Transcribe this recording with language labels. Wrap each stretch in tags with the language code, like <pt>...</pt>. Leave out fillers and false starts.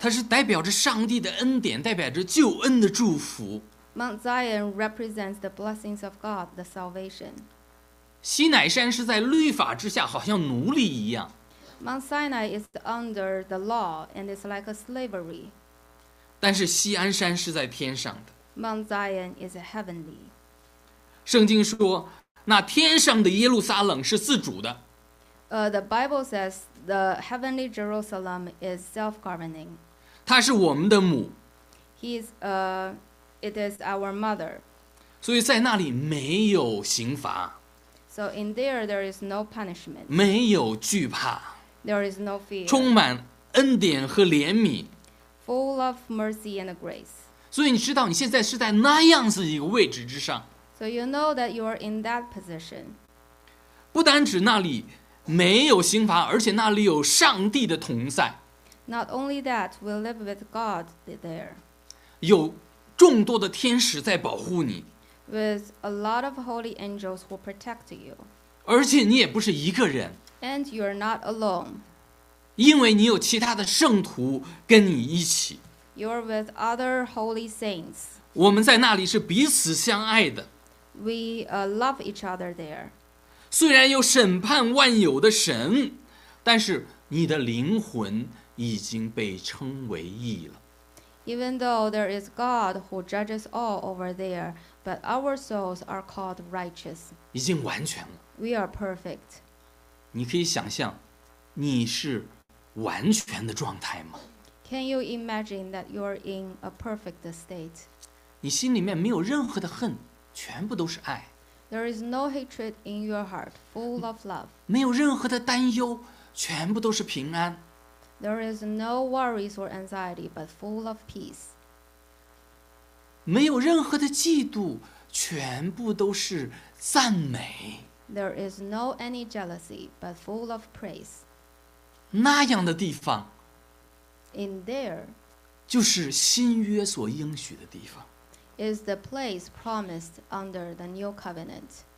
<zh>它是代表着上帝的恩典，代表着救恩的祝福。</zh> <en>Mount Zion represents the blessings of God, the salvation.</en> <zh>西乃山是在律法之下，好像奴隶一样。</zh> <en>Mount Sinai is under the law and it's like a slavery.</en> <zh>但是锡安山是在天上的。</zh> <en>Mount Zion is heavenly.</en> <zh>圣经说，那天上的耶路撒冷是自主的。</zh> <en>The Bible says the heavenly Jerusalem is self-governing.</en> <zh>它是我们的母。</zh> <en>It is our mother.</en> <zh>所以在那里没有刑罚。</zh> <en>So in there, there is no punishment.</en> <zh>没有惧怕。</zh> <en>There is no fear.</en> <zh>充满恩典和怜悯。</zh> <en>Full of mercy and grace.</en> <zh>所以你知道你现在是在那样子一个位置之上。</zh> <en>So you know that you are in that position.</en> <zh>不单指那里没有刑罚，而且那里有上帝的同在。</zh> <en>Not only that, we live with God there.</en> <zh>有众多的天使在保护你。</zh> <en>with a lot of holy angels who protect you.</en> <zh>而且你也不是一个人。</zh> <en>And you are not alone.</en> <zh>因为你有其他的圣徒跟你一起。</zh> <en>You are with other holy saints.</en> <zh>我们在那里是彼此相爱的。</zh> <en>We love each other there.</en> <zh>虽然有审判万有的神，但是你的灵魂已经被称为义了。</zh> <en>Even though there is God who judges all over there, but our souls are called righteous.</en> <zh>已经完全了。</zh> <en>We are perfect.</en> <zh>你可以想象，你是完全的状态吗？</zh> <en>Can you imagine that you are in a perfect state?</en> <zh>你心里面没有任何的恨，全部都是爱。</zh> <en>There is no hatred in your heart, full of love.</en> <zh>没有任何的担忧，全部都是平安。</zh> <en>There is no worries or anxiety, but full of peace.</en> <zh>没有任何的嫉妒，全部都是赞美。</zh> <en>There is no any jealousy, but full of praise.</en> <zh>那样的地方。</zh> <en>In there,</en> <zh>就是新约所应许的地方。</zh> <en>Is the place promised under the new covenant.</en>